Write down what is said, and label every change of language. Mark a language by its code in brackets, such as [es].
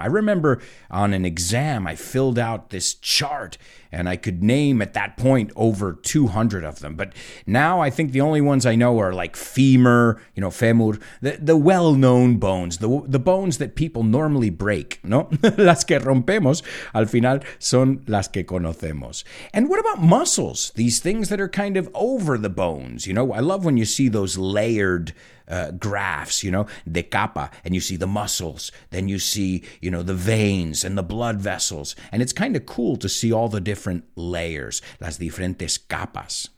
[en] I remember on an exam I filled out this chart and I could name at that point over 200 of them. But now I think the only ones I know are like femur, you know, femur, the well-known bones, the bones that people normally break, no? [es] Las que rompemos al final son las que conocemos. [en] And what about muscles? These things that are kind of over the bones, you know? I love when you see those layered graphs, you know, [es] de capa, [en] and you see the muscles, then you see, you know, the veins and the blood vessels, and it's kind of cool to see all the different layers, [es] las diferentes capas.